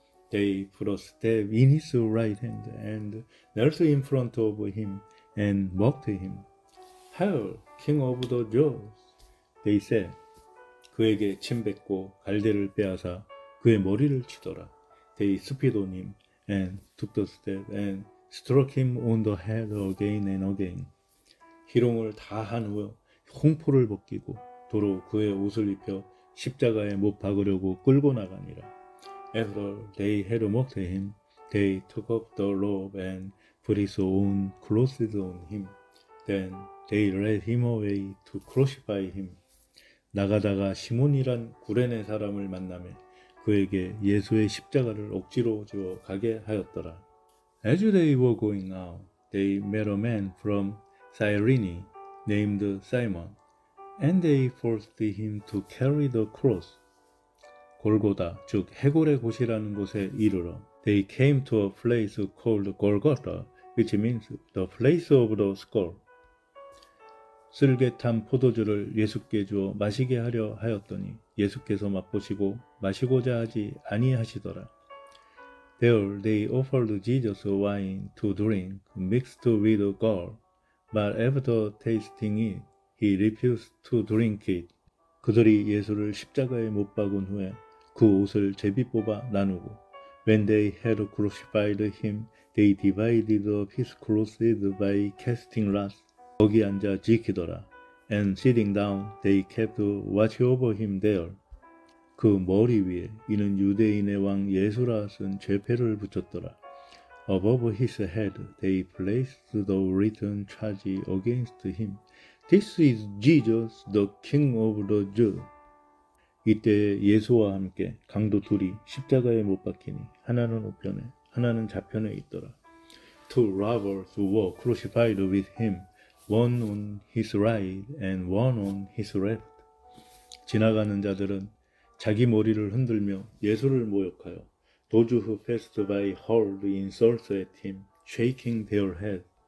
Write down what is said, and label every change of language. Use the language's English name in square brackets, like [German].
[English] They put a staff in his right hand and knelt in front of him and mocked him. Hail, King of the Jews! They said, [Korean] 그에게 침 뱉고 갈대를 빼앗아 그의 머리를 치더라. [English] They spit on him and took the staff and struck him on the head again and again. [Korean] 희롱을 다 한 후 홍포를 벗기고 도로 그의 옷을 입혀 십자가에 못 박으려고 끌고 나가니라. [English] After they had mocked him, they took up the robe and put his own clothes on him. Then they led him away to crucify him. [Korean] 나가다가 시몬이란 구레네 사람을 만나매 그에게 예수의 십자가를 억지로 지어 가게 하였더라. [English] As they were going out, they met a man from Cyrene named Simon, and they forced him to carry the cross. [Korean] 골고다, 즉 해골의 곳이라는 곳에 이르러, [English] they came to a place called Golgotha, which means the place of the skull. [Korean] 쓸개탄 포도주를 예수께 주어 마시게 하려 하였더니 예수께서 맛보시고 마시고자 하지 아니하시더라. [English] There they offered Jesus wine to drink mixed with gall, but after tasting it, he refused to drink it. [Korean] 그들이 예수를 십자가에 못 박은 후에 그 옷을 제비뽑아 나누고, [English] When they had crucified him, they divided his clothes by casting lots. [Korean] 거기 앉아 지키더라. [English] And sitting down, they kept watch over him there. [Korean] 그 머리 위에 이는 유대인의 왕 예수라 쓴 죄패를 붙였더라. [English] Above his head, they placed the written charge against him. This is Jesus, the King of the Jews. [Korean] 이때 예수와 함께 강도 둘이 십자가에 못 박히니 하나는 우편에, 하나는 좌편에 있더라. [English] Two robbers were crucified with him, one on his right and one on his left. [Korean] 지나가는 자들은 자기 머리를 흔들며 예수를 모욕하여 [English] Those who passed by hurled insults at him, shaking their head.